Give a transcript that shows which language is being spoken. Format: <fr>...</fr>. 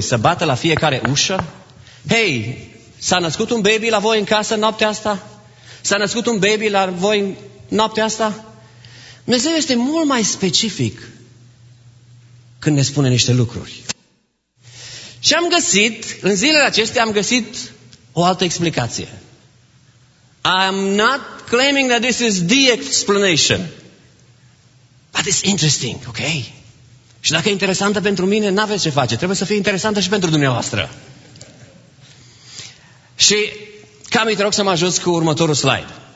<ro>Să bată la fiecare ușă? Hei, s-a născut un baby la voi în casă noaptea asta? S-a născut un baby la voi noaptea asta? Dumnezeu este mult mai specific când ne spune niște lucruri. Și am găsit, în zilele acestea, am găsit o altă explicație.</ro> <en>I'm not claiming that this is the explanation. But it's interesting, ok?</en> <ro>Și dacă e interesantă pentru mine, n-aveți ce face. Trebuie să fie interesantă și pentru dumneavoastră. Și, Cami, te rog să mă ajut cu următorul slide.</ro>